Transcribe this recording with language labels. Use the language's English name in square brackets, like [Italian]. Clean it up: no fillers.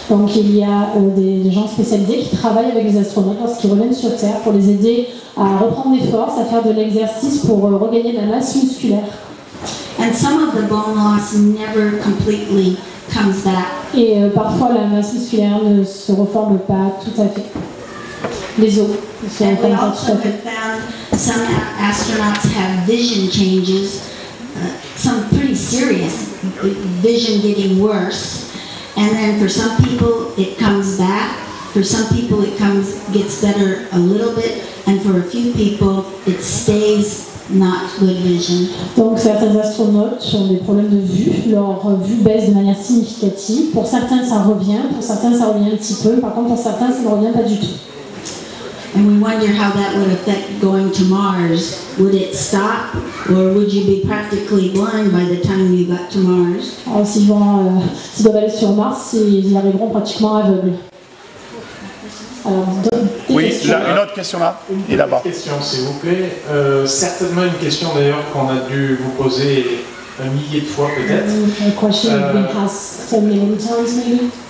[French] Donc il y a des gens spécialisés qui travaillent avec les astronautes lorsqu'ils reviennent sur Terre pour les aider à reprendre des forces, à faire de l'exercice pour regagner de la masse musculaire. [English] And some of the bone loss never completely comes back. [French] Et parfois la masse musculaire ne se reforme pas tout à fait. Les os. [English] And we also have found some astronauts have vision changes, some pretty serious vision getting worse. And then for some people it comes back. For some people it comes, gets better a little bit, and for a few people it stays not good vision. [French] Donc certains astronautes ont des problèmes de vue, leur vue baisse de manière significative. Pour certains ça revient, pour certains ça revient un petit peu, par contre pour certains ça ne revient pas du tout. [English] And we wonder how that would affect going to Mars. Would it stop, or would you be practically blind by the time you got to Mars? [French] Oh, s'ils vont, s'ils doivent aller sur Mars, ils y arriveront pratiquement aveugles. Oui, là, une autre question là, et là-bas. Une question, s'il vous plaît. Certainement une question d'ailleurs qu'on a dû vous poser un millier de fois peut-être. Une question que vous avez posée un millier de fois peut-être.